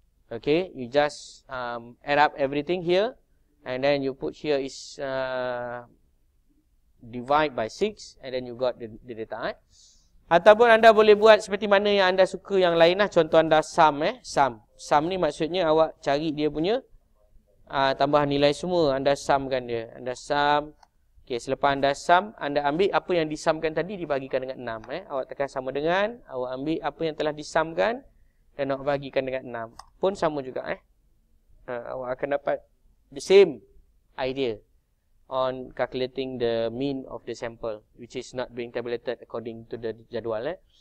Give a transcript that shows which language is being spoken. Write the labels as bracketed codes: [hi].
[en] Okay, you just add up everything here, and then you put here is divide by 6, and then you got the data. [ms] Ataupun anda boleh buat seperti mana yang anda suka yang lain lah. Contoh anda sum. Sum ni maksudnya awak cari dia punya tambah nilai semua. Anda sumkan dia. Anda sum. Okay, selepas anda sum, anda ambil apa yang disumkan tadi dibahagikan dengan 6. Awak tekan sama dengan. Awak ambil apa yang telah disumkan dan awak bahagikan dengan 6. Pun sama juga. Awak akan dapat [en] the same idea on calculating the mean of the sample, which is not being tabulated according to the jadual.